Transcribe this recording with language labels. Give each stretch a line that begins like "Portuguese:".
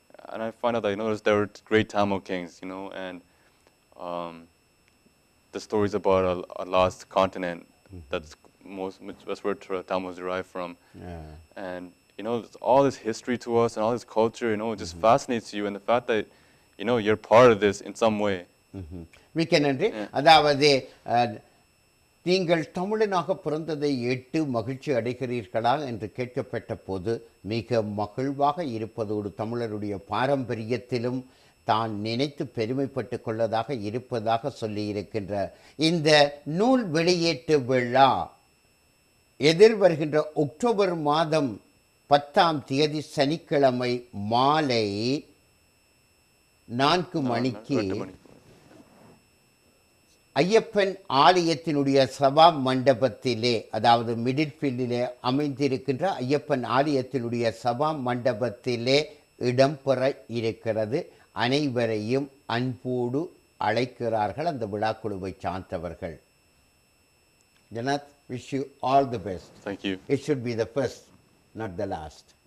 English: And I find out that, you know, there were great Tamil kings, you know, and the stories about a lost continent that's that's where Tamil was derived from. And, you know, all this history to us and all this culture, you know, it just fascinates you. And the fact that, you know, you're part of this in some way. We can agree.
Tamil: அதாவது நீங்கள் தமிழனாக பிறந்ததை எட்டு மகிழ்ச்சி அடைகிறீர்களா என்று கேட்கப்பட்ட போது மிக மகிழ்வாக இருப்பதோடு தமிழருடைய பாரம்பரியத்திலும் தான் நினைத்து பெருமைப்பட்டு கொள்ளதாக இருப்பதாக சொல்லியிருக்கின்ற இந்த நூல் வெளியீட்டு விழா எதிர் வருகின்ற அக்டோபர் மாதம் 10ஆம் தேதி சனிக்கிழமை மாலை 4 மணிக்கு ஐயப்பன் ஆலயத்தினுடைய சபா மண்டபத்திலே, அதாவது மிடில் ஃபீல்டிலே அமைந்திருக்கின்ற ஐயப்பன் ஆலயத்தினுடைய சபா மண்டபத்திலே இடம்பெற இருக்கிறது. அனைவரையும் அன்போடு அழைக்கிறார்கள் அந்த விழா குழுவை சார்ந்தவர்கள்.
English: ஜனத், wish you all the best. Thank you. It should be the first, not the last.